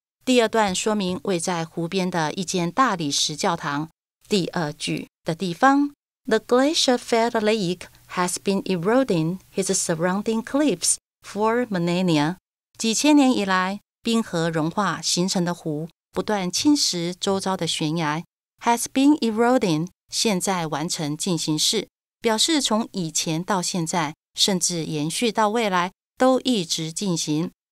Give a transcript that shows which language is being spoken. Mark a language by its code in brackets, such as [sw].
[zh] 第二段说明位在湖边的一间大理石教堂。第二句的地方 [en] The glacier-fed lake has been eroding his surrounding cliffs for millennia. [zh] 几千年以来冰河融化形成的湖不断侵蚀周遭的悬崖。 [en] Has been eroding, [zh] 现在完成进行式表示从以前到现在甚至延续到未来都一直进行。